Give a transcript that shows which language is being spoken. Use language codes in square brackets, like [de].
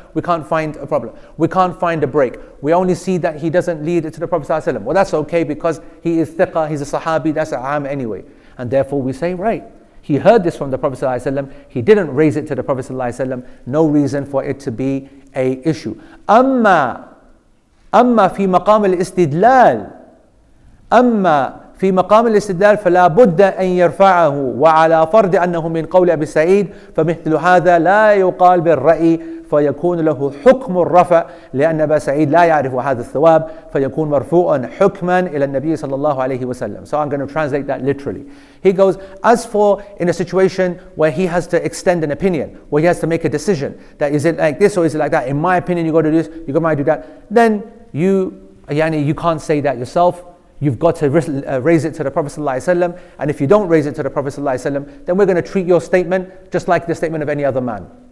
[en] We can't find a problem. We can't find a break. We only see that he doesn't lead it to the Prophet ﷺ. Well, that's okay because he is thiqa, he's a sahabi, that's a am anyway. And therefore we say, right, he heard this from the Prophet ﷺ. He didn't raise it to the Prophet ﷺ. No reason for it to be a issue. [ar] أما في مقام الاستدلال أما في مقام الاستدلال فلا بد أن يرفعه وعلى فرض أنه من قول أبي سعيد فمثل هذا لا يقال بالرأي فيكون له حكم الرفع لأن أبا سعيد لا يعرف هذا الثواب فيكون مرفوعا حكما إلى النبي صلى الله عليه وسلم. [en] So I'm going to translate that literally. He goes, as for in a situation where he has to extend an opinion, where he has to make a decision, that is it like this or is it like that? In my opinion, you got to do this, you got to do that. Then you, yani, you can't say that yourself. You've got to raise it to the Prophet ﷺ. And if you don't raise it to the Prophet ﷺ, then we're going to treat your statement just like the statement of any other man.